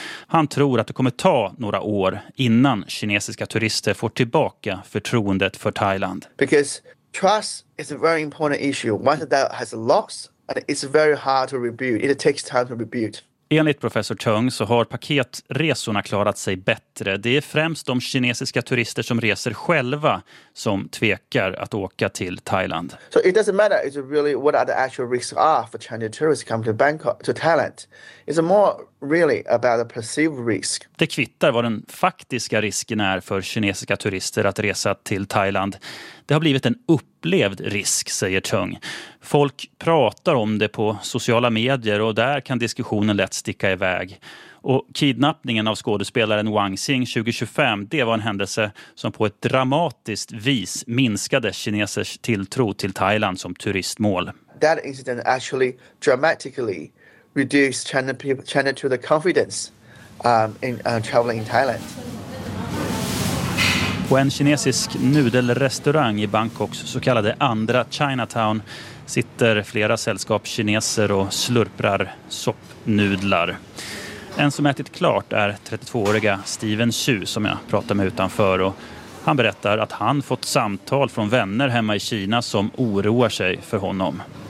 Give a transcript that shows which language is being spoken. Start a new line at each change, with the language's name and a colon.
Swedish: Han tror att det kommer ta några år innan kinesiska turister får tillbaka förtroendet för Thailand.
English: Because trust is a very important issue. Once that has a loss, and it's very hard to rebuild. It takes time to rebuild.
Swedish: Enligt professor Chung så har paketresorna klarat sig bättre. Det är främst de kinesiska turister som reser själva som tvekar att åka till Thailand.
English: So it doesn't matter if really what are the actual risks are for Chinese tourists coming to Bangkok to Thailand. It's more really about the perceived risk.
Swedish: Det kvittar vad den faktiska risken är för kinesiska turister att resa till Thailand. Det har blivit en upplevd risk, säger Chung. Folk pratar om det på sociala medier och där kan diskussionen lätt sticka iväg. Och kidnappningen av skådespelaren Wang Xing 2025, det var en händelse som på ett dramatiskt vis minskade kinesers tilltro till Thailand som turistmål.
English: That incident actually dramatically reduced China to the confidence in traveling in Thailand.
Swedish: På en kinesisk nudelrestaurang i Bangkoks så kallade andra Chinatown sitter flera sällskap kineser och slurprar soppnudlar. En som ätit klart är 32-åriga Steven Chu som jag pratade med utanför, och han berättar att han fått samtal från vänner hemma i Kina som oroar sig för honom.